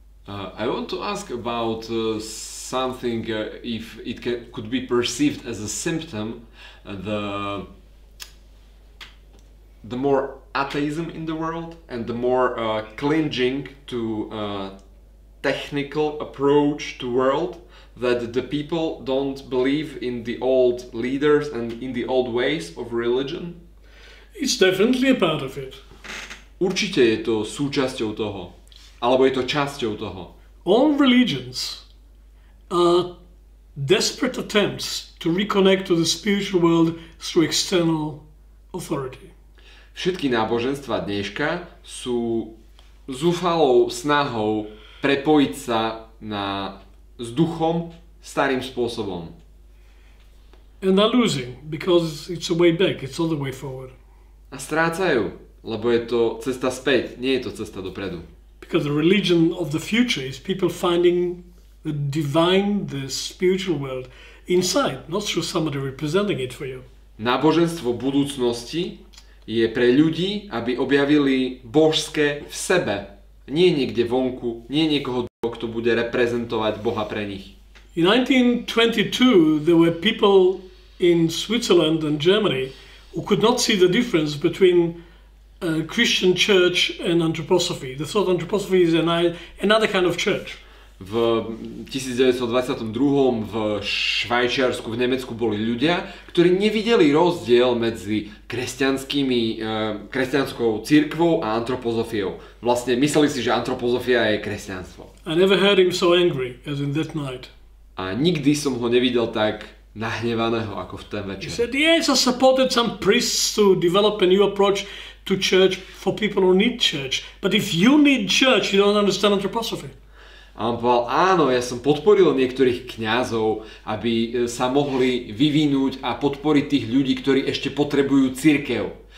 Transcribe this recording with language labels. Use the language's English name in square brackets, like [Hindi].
[English] I want to ask about something if it could be perceived as a symptom, the more atheism in the world and the more clinging to a technical approach to world, that the people don't believe in the old leaders and in the old ways of religion? It's definitely a part of it. [Slovak] Určite je to súčasťou toho. Alebo je to časťou toho. [English] All religions are desperate attempts to reconnect to the spiritual world through external authority. [Slovak] Všetky náboženstva dneška sú zúfalou snahou prepojiť sa na s duchom starým spôsobom. [English] And they're losing because it's a way back, it's all the way forward. [Slovak] A strácajú, lebo je to cesta späť, nie je to cesta dopredu. [English] Because the religion of the future is people finding the divine, the spiritual world inside, not through somebody representing it for you. [Slovak] Náboženstvo budúcnosti je pre ľudí, aby objavili božské v sebe, nie niekde vonku, nie niekoho, kto bude reprezentovať Boha pre nich. [English] In 1922 there were people in Switzerland and Germany who could not see the difference between a Christian church and anthroposophy. They thought anthroposophy is another kind of church. [Slovak] V 1922 v Švajčiarsku, v Nemecku boli ľudia, ktorí nevideli rozdiel medzi kresťanskou cirkvou a antropozofiou. Vlastne mysleli si, že antropozofia je kresťanstvo. [English] I never heard him so angry as in that night. [Slovak] A nikdy som ho nevidel tak nahnevaného ako v ten večer. [English] He said, yes, I supported some priests to develop a new approach to church for people who need church. But if you need church, you don't understand anthroposophy. [Slovak] A on povedal, áno, ja som podporil niektorých kňazov, aby sa mohli vyvinúť a podporiť tých ľudí, ktorí ešte potrebujú cirkev.